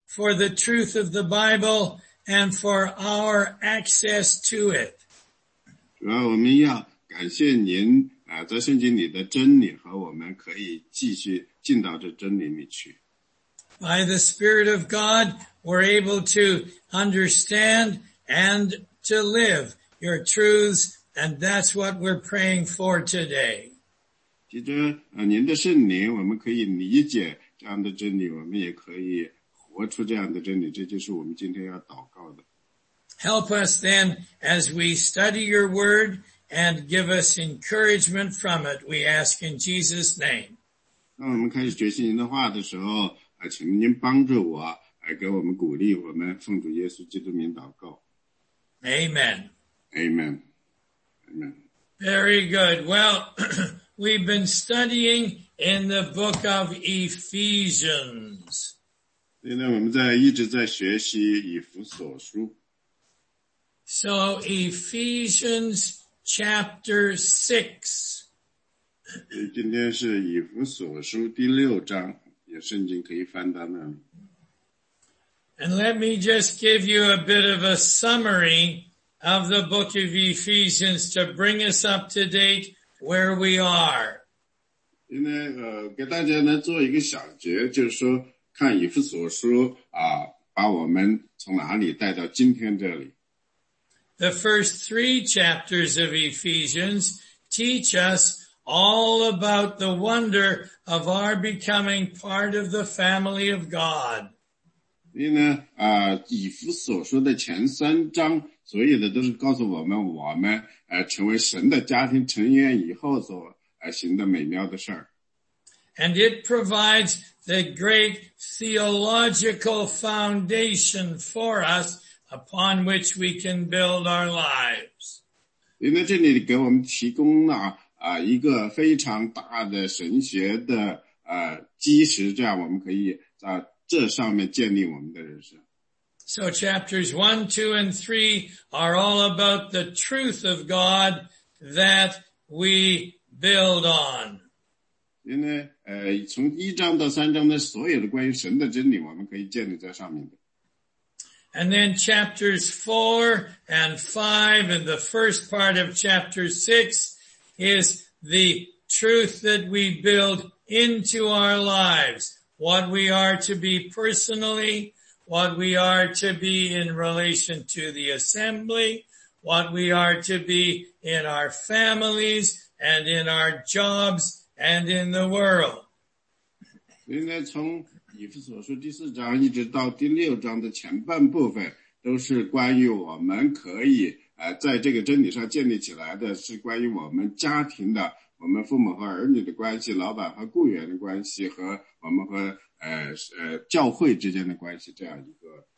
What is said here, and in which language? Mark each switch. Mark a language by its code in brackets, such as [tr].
[en] for the truth of the Bible and for our access to it. [zh] 主啊，我们要感谢您啊，在圣经里的真理和我们可以继续进到这真理里去。 [en] By the Spirit of God, we're able to understand and to live your truths, and that's what we're praying for today. [zh] 藉着您的圣灵，我们可以理解这样的真理，我们也可以活出这样的真理，这就是我们今天要祷告的。 [en] Help us then as we study your word and give us encouragement from it, we ask in Jesus' name. [zh] 当我们开始学习您的话的时候，请您帮助我，给我们鼓励，我们奉主耶稣基督名祷告。 [en] Amen. Amen. Amen. Very good. Well, we've been studying in the book of Ephesians. [zh] 现在我们在一直在学习以弗所书。 [en] So, Ephesians chapter 6. [zh] 今天是以弗所书第六章。圣经可以翻到那里。 [en] And let me just give you a bit of a summary of the book of Ephesians to bring us up to date where we are. [zh] 今天给大家呢做一个小结，就是说看以弗所书啊，把我们从哪里带到今天这里。 [en] The first three chapters of Ephesians teach us all about the wonder of our becoming part of the family of God. [zh] 所以呢，以弗所书的前三章，所有的都是告诉我们，我们成为神的家庭成员以后所行的美妙的事儿。 [en] And it provides the great theological foundation for us upon which we can build our lives. [zh] 所以呢，这里给我们提供了一个非常大的神学的基石，这样我们可以在这上面建立我们的人生。 [en] So chapters 1, 2, and 3 are all about the truth of God that we build on. [zh] 因为从一章到三章的所有的关于神的真理，我们可以建立在上面的。 [en] And then chapters 4 and 5 and the first part of chapter 6is the truth that we build into our lives, what we are to be personally, what we are to be in relation to the assembly, what we are to be in our families and in our jobs and in the world. [zh] 应该从以弗所书第四章一直到第六章的前半部分都是关于我们可以在这个真理上建立起来的，是关于我们家庭的，我们父母和儿女的关系，老板和雇员的关系，和我们和教会之间的关系，这样一个。